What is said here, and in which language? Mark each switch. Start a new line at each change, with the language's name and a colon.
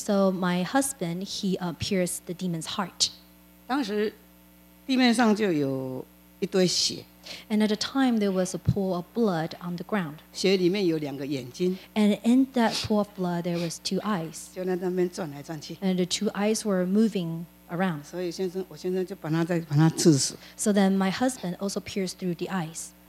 English: So my husband, he pierced the demon's heart.
Chinese: 当时地面上就有一堆血。
English: And at the time, there was a pool of blood on the ground.
Chinese: 血里面有两个眼睛。
English: And in that pool of blood, there was two eyes.
Chinese: 就在那边转来转去。
English: And the two eyes were moving around.
Chinese: 所以我先生就把他刺死。
English: So then my husband also pierced through the eyes.